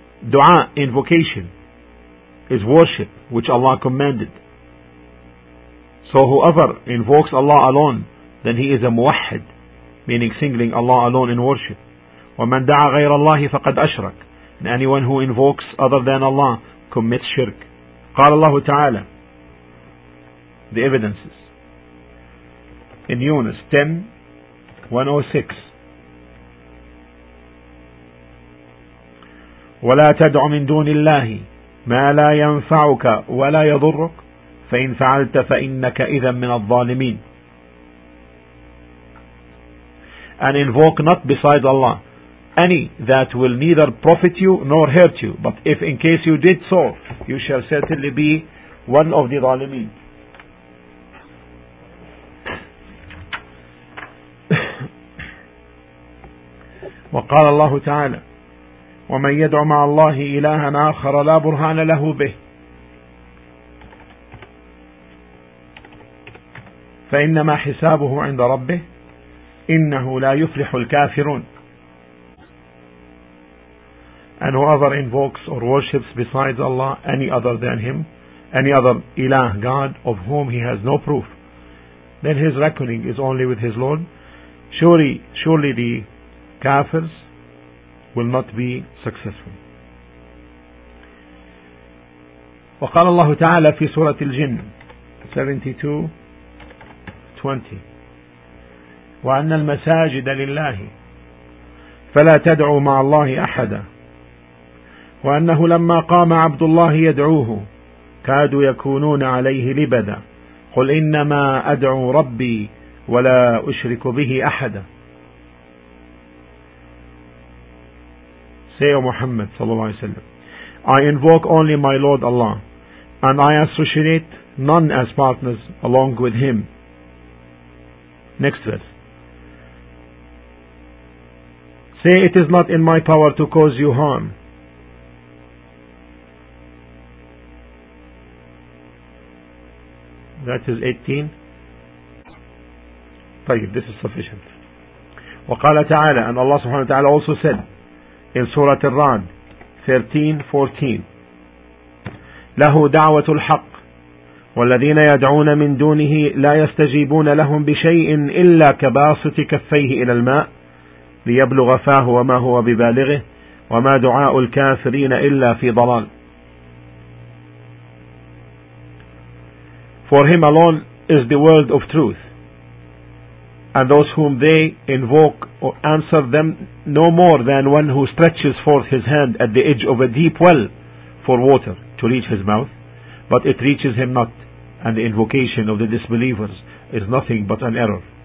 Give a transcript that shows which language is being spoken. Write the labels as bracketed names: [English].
[English] Dua, invocation, is worship which Allah commanded. So whoever invokes Allah alone, then he is a muwahhid, meaning singling Allah alone in worship. [Arabic] وَمَنْ دَعَ غَيْرَ اللَّهِ فَقَدْ أَشْرَكَ. [English] And anyone who invokes other than Allah commits shirk. [Arabic] قال الله تعالى, [English] the evidences. In Yunus 10:106, [Arabic] وَلَا تَدْعُ مِن دُونِ اللَّهِ مَا لَا يَنْفَعُكَ وَلَا يَضُرُّكَ فَإِنْ فَعَلْتَ فَإِنَّكَ إِذًا مِنَ الظَّالِمِينَ. [English] And invoke not besides Allah any that will neither profit you nor hurt you, but if in case you did so, you shall certainly be one of the ظالمين. [Arabic] وقال الله تعالى وَمَنْ يَدْعُ مَعَ اللَّهِ إِلَهًا آخَرَ لَا بُرْهَانَ لَهُ بِهِ فَإِنَّمَا حِسَابُهُ عِنْدَ رَبِّهِ إِنَّهُ لَا يُفْلِحُ الْكَافِرُونَ. [English] And whoever invokes or worships besides Allah any other than Him, any other ilah, God, of whom he has no proof, then his reckoning is only with his Lord. Surely the kafirs will not be successful. [Arabic] وقال الله تعالى في سورة الجن 72:20 وأن المساجد لله فلا تدعوا مع الله أحدا وأنه لما قام عبد الله يدعوه كادوا يكونون عليه لبدا قل إنما أدعو ربي ولا أشرك به أحدا. [English] Say, O Muhammad sallallahu alayhi wa sallam, I invoke only my Lord Allah, and I associate none as partners along with Him. Next verse. Say, it is not in my power to cause you harm. That is 18. [Arabic] طيب, [English] this is sufficient. [Arabic] وقال تعالى, [English] and Allah subhanahu wa ta'ala also said, in Surah Ar-Ra'd 13:14, [Arabic] له دعوة الحق والذين يدعون من دونه لا يستجيبون لهم بشيء إلا كباسط كفيه إلى الماء ليبلغ فاه وما هو ببالغه وما دعاء الكافرين إلا في ضلال. [English] For him alone is the world of truth, and those whom they invoke or answer them no more than one who stretches forth his hand at the edge of a deep well for water to reach his mouth, but it reaches him not, and the invocation of the disbelievers is nothing but an error.